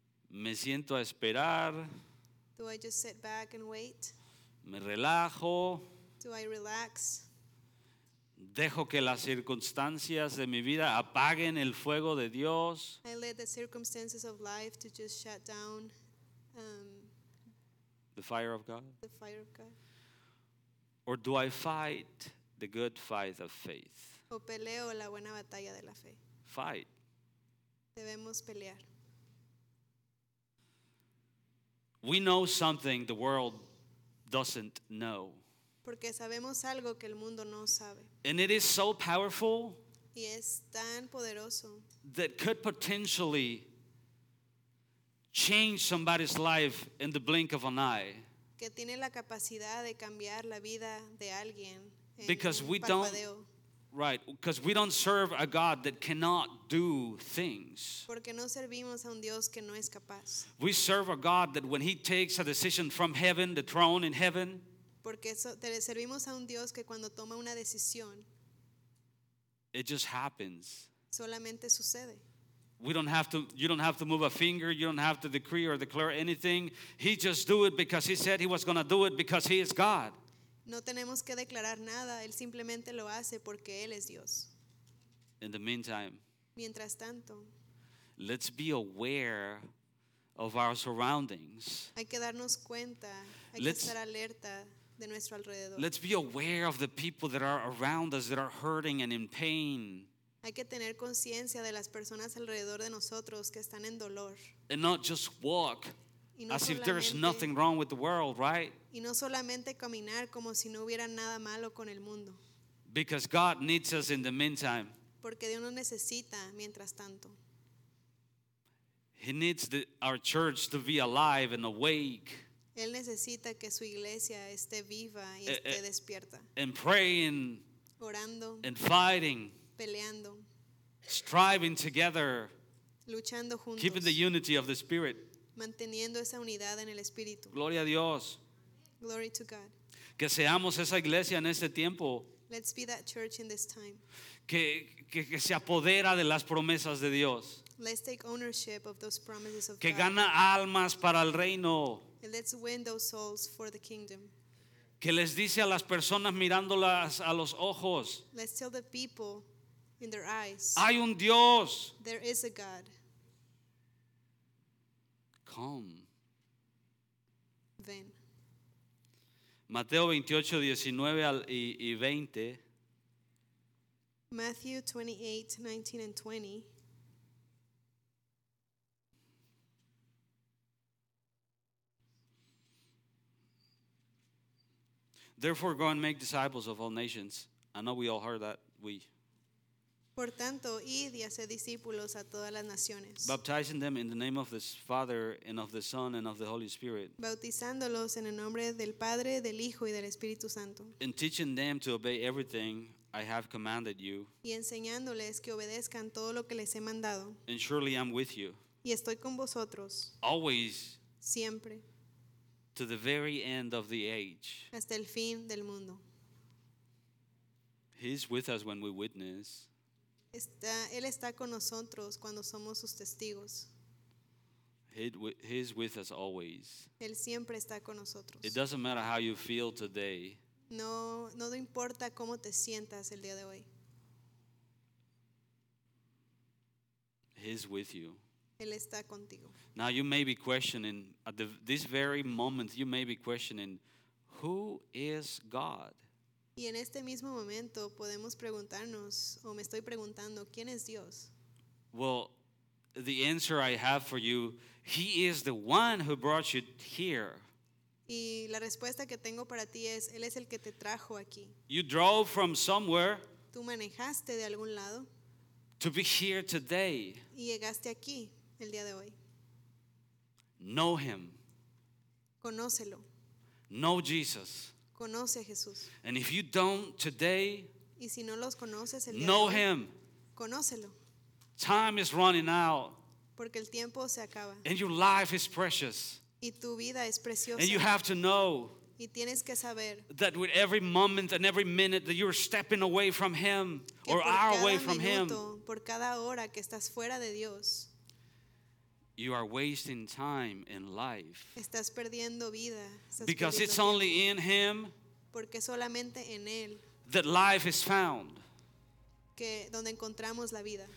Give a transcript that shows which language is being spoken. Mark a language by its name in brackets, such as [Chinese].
[Spanish] Me siento a esperar. [English] Do I just sit back and wait? [Spanish] Me relajo. [English] Do I relax? [Spanish] Dejo que las circunstancias de mi vida apaguen el fuego de Dios. [English] I let the circumstances of life to just shut down the fire of God. The fire of God. Or do I fight the good fight of faith? [Spanish] O peleo la buena batalla de la fe. [English] Fight. [Spanish] Debemos pelear. [English] We know something the world doesn't know. [Spanish] Porque sabemos algo que el mundo no sabe. [English] And it is so powerful. [Spanish] Y es tan poderoso. [English] That could potentially change somebody's life in the blink of an eye. [Spanish] Que tiene la capacidad de cambiar la vida de alguien. [English] Because we don't. Right, because we don't serve a God that cannot do things. [Spanish] Porque no servimos a un Dios que no es capaz. [English] We serve a God that when he takes a decision from heaven, the throne in heaven, [Spanish] porque servimos a un Dios que cuando toma una decisión, [English] it just happens. [Spanish] Solamente sucede. [English] We don't have to, you don't have to move a finger, you don't have to decree or declare anything. He just do it because he said he was going to do it because he is God. [Spanish] No tenemos que declarar nada, él simplemente lo hace porque él es Dios. [English] In the meantime, [Spanish] mientras tanto, [English] let's be aware of our surroundings. [Spanish] Hay que darnos cuenta, hay que estar alerta de nuestro alrededor. [English] Let's be aware of the people that are around us that are hurting and in pain. [Spanish] Hay que tener conciencia de las personas alrededor de nosotros que están en dolor. [English] And not just walk. As if there's nothing wrong with the world, right? [Spanish] Y no solamente caminar como si no hubiera nada malo con el mundo. [English] Because God needs us in the meantime. [Spanish] Porque Dios nos necesita mientras tanto. [English] He needs our church to be alive and awake. [Spanish] Él necesita que su iglesia esté viva y esté despierta. [English] And praying. [Spanish] Orando. [English] And fighting. [Spanish] Peleando. [English] Striving together. [Spanish] Luchando juntos. [English] Keeping the unity of the Spirit. [Spanish] Manteniendo esa unidad en el Espíritu. Gloria a Dios. [English] Glory to God. [Spanish] Que seamos esa iglesia en este tiempo. [English] Let's be that church in this time. [Spanish] Que se apodera de las promesas de Dios. [English] Let's take ownership of those promises of God. [Spanish] Que gana almas para el reino. [English] And let's win those souls for the kingdom. [Spanish] Que les dice a las personas mirándolas a los ojos. [English] Let's tell the people in their eyes. [Spanish] Hay un Dios. [English] There is a God. Come. [Spanish] Ven. Mateo 28, 19 al, y, y 20. [English] Matthew 28:19-20. Therefore, go and make disciples of all nations. I know we all heard that. [Spanish] Por tanto, id y haced discípulos a todas las naciones. [English] Baptizing them in the name of the Father and of the Son and of the Holy Spirit. [Spanish] Bautizándolos en el nombre del Padre, del Hijo y del Espíritu Santo. [English] And teaching them to obey everything I have commanded you. [Spanish] Y enseñándoles que obedezcan todo lo que les he mandado. [English] And surely I'm with you. [Spanish] Y estoy con vosotros. [English] Always. [Spanish] Siempre. [English] To the very end of the age. [Spanish] Hasta el fin del mundo. [English] He's with us when we witness. [Spanish] Él está con nosotros cuando somos sus testigos. [English] He's with us always. [Spanish] Él siempre está con nosotros. [English] It doesn't matter how you feel today. [Spanish] No importa cómo te sientas el día de hoy. [English] He's with you. [Spanish] Él está contigo. [English] Now you may be questioning, at this very moment, you may be questioning, who is God? [Spanish] Y en este mismo momento podemos preguntarnos, o me estoy preguntando, ¿quién es Dios? [English] Well, the answer I have for you, he is the one who brought you here. [Spanish] Y la respuesta que tengo para ti es, él es el que te trajo aquí. [English] You drove from somewhere. [Spanish] Tú manejaste de algún lado. [English] To be here today. [Spanish] Y llegaste aquí el día de hoy. [English] Know him. [Spanish] Conócelo. [English] Know Jesus. [Spanish] Conoce a Jesús. [English] And if you don't today, [Spanish] y si no los conoces el día [English] know [Spanish] de hoy, [English] him. [Spanish] Conócelo. [English] Time is running out. [Spanish] Porque el tiempo se acaba. [English] And your life is precious. [Spanish] Y tu vida es preciosa. [English] And you have to know [Spanish] y tienes que saber [English] that with every moment and every minute that you're stepping away from him or are away [Spanish] minuto, [English] from him, [Spanish] por cada hora que estás fuera de Dios, [English] You are wasting time in life. [Spanish] Estás perdiendo vida. [English] Because it's only in Him. [Spanish] Porque solamente en Él. [English] That life is found. [Spanish] Que donde encontramos la vida.